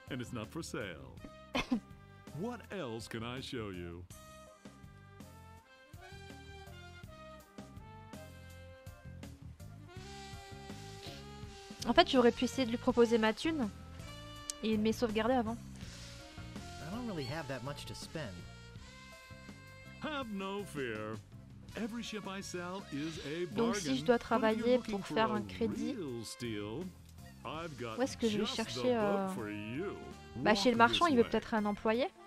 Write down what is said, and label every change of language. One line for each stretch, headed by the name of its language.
English: And it's not for sale. What else can I show you?
French: En fait, j'aurais pu essayer de lui proposer ma thune et de me sauvegarder avant.
English: I don't really have that much to spend. Have no fear. Every ship I sell is a bargain.
French: Donc si je dois travailler pour faire un crédit,
English: steel,
French: où est-ce que je vais chercher Bah chez le marchand, il veut peut-être un employé.